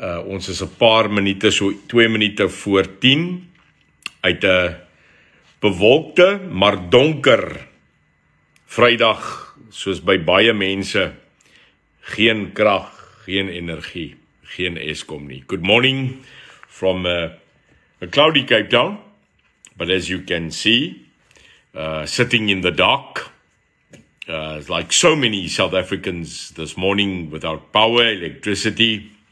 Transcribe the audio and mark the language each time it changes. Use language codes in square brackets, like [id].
[af] Ons is 'n paar minute, so 2 minute voor 10, uit 'n bewolkte, maar donker vrydag, soos by baie mense. Geen krag, geen energie, geen Eskom nie. [en] Good morning from a cloudy Cape Town. But as you can see, sitting in the dark, like so many South Africans this morning without power, electricity.